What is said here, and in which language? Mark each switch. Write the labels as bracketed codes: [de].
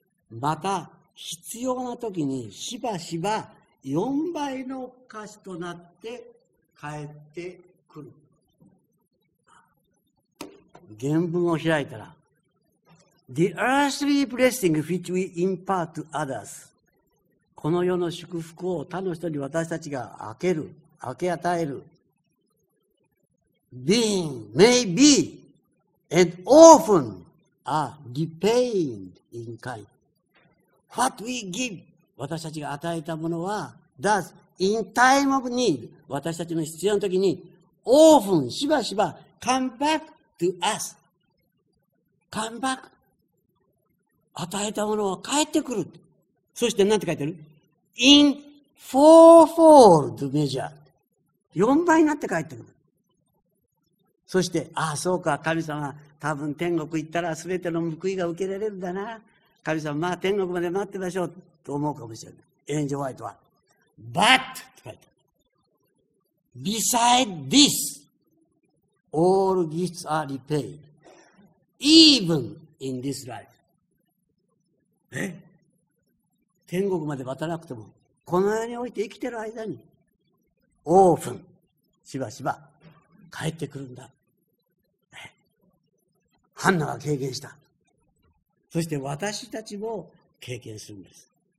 [ja] また、必要な時にしばしば4倍の価値となって返ってくる。原文を開いたら、 [en] The earthly blessing which we impart to others。 [ja] この世の祝福を他の人に私たちが開ける、開け与える。 [en] Being, may be, and often are repaid in kind. What we give, [ja] 私たちが与えたものは、 [en] thus, in time of need, [ja] 私たちの必要の時に、 [en] often, [ja] しばしば、 [en] come back to us. Come back. [ja] 与えたものは帰ってくる。そして何て書いてる？ [en] In fourfold measure. [ja] 4倍になって帰ってくる。そして、ああ、そうか、神様、多分天国行ったら全ての報いが受けられるんだな。神様、まあ天国まで待ってましょう、と思うかもしれない。エンジェル・ホワイトは、 [en] But! [ja] って書いてある。 [en] Beside this, all gifts are repaid, even in this life. [ja] 天国まで待たなくても、この世において生きてる間に、オープン、しばしば、帰ってくるんだ。ハンナが経験した。そして私たちも経験するんです。